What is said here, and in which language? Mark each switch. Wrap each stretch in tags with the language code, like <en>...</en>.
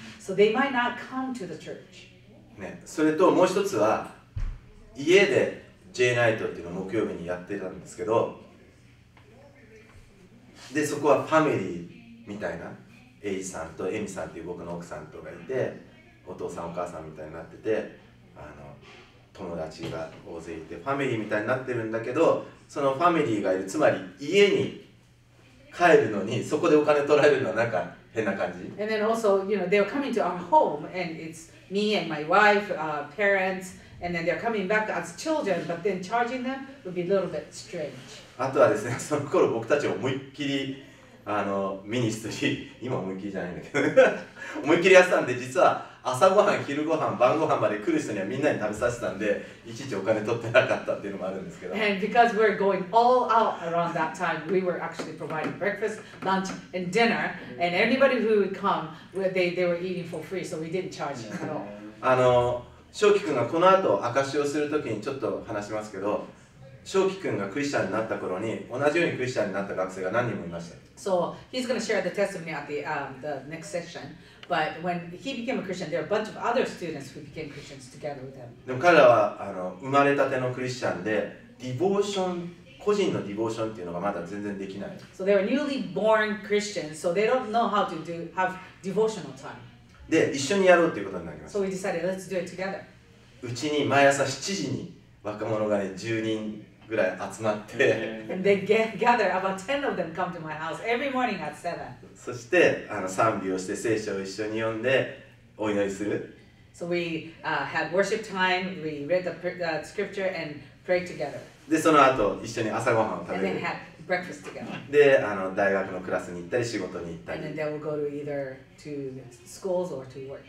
<en>So they might not come to the church.</en> <ja>ね、それともう一つは、家で、J ナイトっていうのを木曜日にやってたんですけど、でそこはファミリーみたいな、エイジさんとエミさんっていう僕の奥さんとかいて、お父さんお母さんみたいになってて、あの友達が大勢いてファミリーみたいになってるんだけど、そのファミリーがいる、つまり家に帰るのにそこでお金取られるのはなんか変な感じ。</ja> <en>And then also, you know, they're coming to our home and it's me and my wife, parents. And then they're coming back as children, but then charging them would be a little bit strange.</en> <ja>あとはですね、その頃僕たち思いっきりあのミニストリー、今思いっきりじゃないんだけど、思いっきりやってたんで、実は朝ごはん、昼ごはん、晩ごはんまで来る人にはみんなに食べさせたんで、いちいちお金取ってなかったっていうのもあるんですけど。</ja> <en>And because we're going all out around that time, we were actually providing breakfast, lunch, and dinner, and anybody who would come, they were eating for free, so we didn't charge them at all.</en> <ja>あの翔輝くんがこの後証をするときにちょっと話しますけど、翔輝くんがクリスチャンになった頃に同じようにクリスチャンになった学生が何人もいました。</ja> <en>So, he's going to share the testimony at the next session. But when he became a Christian, there were a bunch of other students who became Christians together with him.</en> <ja>でも彼らは生まれたてのクリスチャンで、ディボーション、個人のディボーションっていうのがまだ全然できない。</ja> <en>So they were newly born Christians, so they don't know how to do, have devotional time.</en> <ja>で、一緒にやろうっていうことになります。</ja> <en>So we decided, let's do it together.</en> <ja>うちに毎朝7時に若者がね、10人ぐらい集まって。</ja> <en>And they gather, about 10 of them come to my house every morning at 7.</en> <ja>そして、賛美をして聖書を一緒に読んで、お祈りする。</ja> <en>So we had worship time, we read the, the scripture and prayed together.</en> <ja>で、その後、一緒に朝ごはんを食べる。</ja> <en>And then had breakfast together.</en> <ja>で、大学のクラスに行ったり、仕事に行ったり。</ja> <en>And then they would go to either to schools or to work.</en>